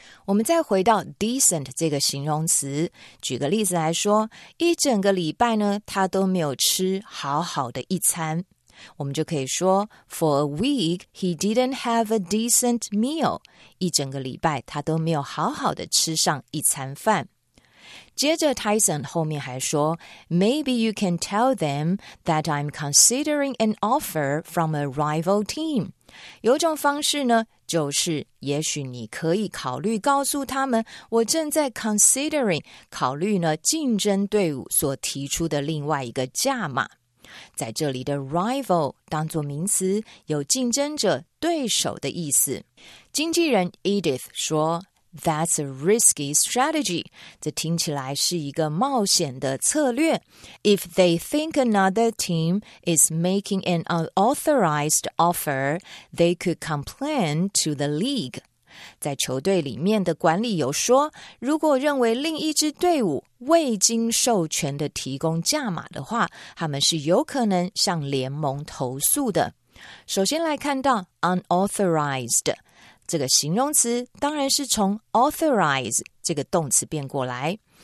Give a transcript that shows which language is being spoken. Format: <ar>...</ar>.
<zh>我们再回到 decent 这个形容词，举个例子来说，一整个礼拜呢，他都没有吃好好的一餐。我们就可以说</zh> <en>,For a week, he didn't have a decent meal.</en> <zh>一整个礼拜他都没有好好的吃上一餐饭。接着 Tyson 后面还说</zh> <en>,Maybe you can tell them that I'm considering an offer from a rival team.</en> <zh>有一种方式呢，就是也许你可以考虑告诉他们，我正在 considering, 考虑呢竞争队伍所提出的另外一个价码。在这里的 rival 当作名词，有竞争者、对手的意思。经纪人 Edith 说</zh> <en>,That's a risky strategy.</en> <zh>这听起来是一个冒险的策略。</zh> <en>If they think another team is making an unauthorized offer, they could complain to the league.</en> <zh>在球队里面的管理有说，如果认为另一支队伍未经授权的提供价码的话，他们是有可能向联盟投诉的。首先来看到 unauthorized 这个形容词，当然是从 authorize 这个动词变过来。</zh>